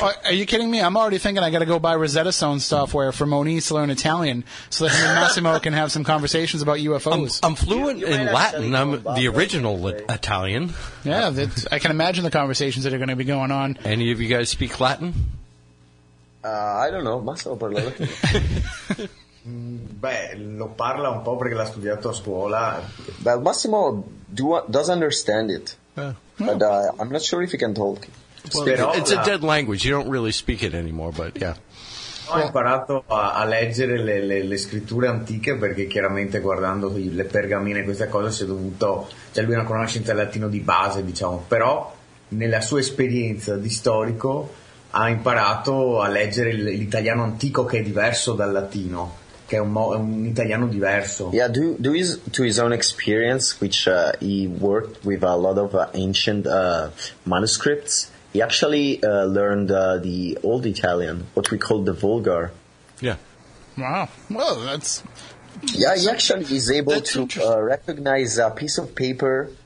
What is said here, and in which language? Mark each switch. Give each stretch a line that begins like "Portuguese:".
English: Are you kidding me? I'm already thinking I got to go buy Rosetta Stone software for Moniz to learn Italian so that Massimo can have some conversations about UFOs. I'm fluent in Latin. I'm the original Italian. Yeah, I can imagine the conversations that are going to be going on. Any of you guys speak Latin? I don't know. Massimo parla Latin.
Italian: Beh, lo parla un po' perché l'ha studiato a scuola.
English: Beh, Massimo does understand it, but I'm not sure if he can talk. Well, it's a dead language. You don't really speak it anymore, but yeah.
Italian: Ho imparato a leggere le scritture antiche perché chiaramente guardando le pergamene e queste cose si è dovuto, cioè lui ha una conoscenza del latino di base, diciamo. Però nella sua esperienza di storico ha imparato a leggere l'italiano antico, che è diverso dal latino. Che è un italiano diverso.
English: Yeah, due to his own experience, which he worked with a lot of ancient manuscripts, he actually learned the old Italian, what we call the Vulgar. Yeah. Wow. Well, that's... Yeah, he actually is able to recognize a piece of paper